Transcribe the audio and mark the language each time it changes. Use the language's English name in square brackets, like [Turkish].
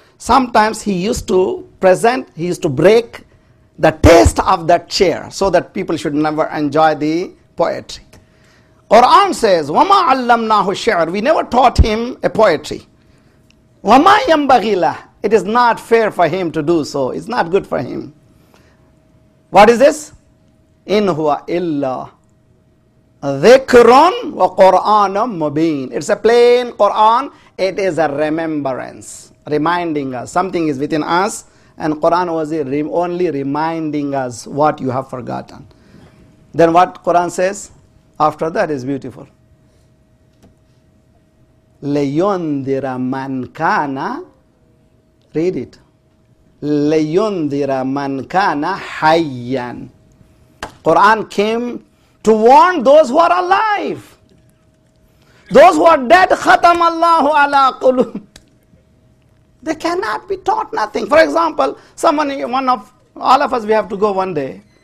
[English] Sometimes he used to present, he used to break the taste of that chair so that people should never enjoy the poetry. Quran says, [Arabic] وَمَا عَلَّمْنَاهُ الشِّعْرَ [English] We never taught him a poetry. [Arabic] وَمَا يَنْبَغِي لَهُ [English] It is not fair for him to do so. It's not good for him. What is this? [Arabic] إِنْ هُوَ إِلَّا ذِكْرٌ وَقُرْآنٌ مُبِينٌ [English] It's a plain Quran. It is a remembrance. Reminding us. Something is within us. And Quran was only reminding us what you have forgotten. Then what Quran says? After that is beautiful. [Arabic] لَيُنْدِرَ مَنْ كَانَ [English] Read it. [Arabic] لَيُنْدِرَ مَنْ كَانَ حَيًّا [English] Quran came to warn those who are alive. Those who are dead, [Arabic] خَتَمَ اللَّهُ عَلَىٰ قُلُوبِ [English] They cannot be taught nothing. For example, someone, all of us, we have to go one day.